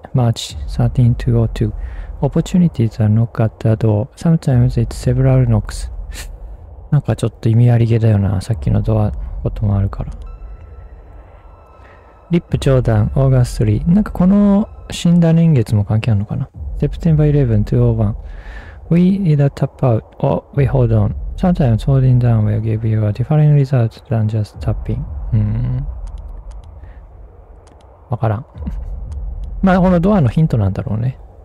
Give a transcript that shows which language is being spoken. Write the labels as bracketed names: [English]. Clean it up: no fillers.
[English] March 13, 2002. Opportunities are knock at the door. Sometimes it's several knocks. [Japanese] なんかちょっと意味ありげだよな。さっきのドアのこともあるから。 [English] Rip Jordan, August 3. [Japanese] なんかこの死んだ年月も関係あるのかな。 [English] September 11, 2001. We either tap out or we hold on. Sometimes holding down will give you a different result than just tapping. [Japanese] わからん。まあ、このドアのヒントなんだろうね。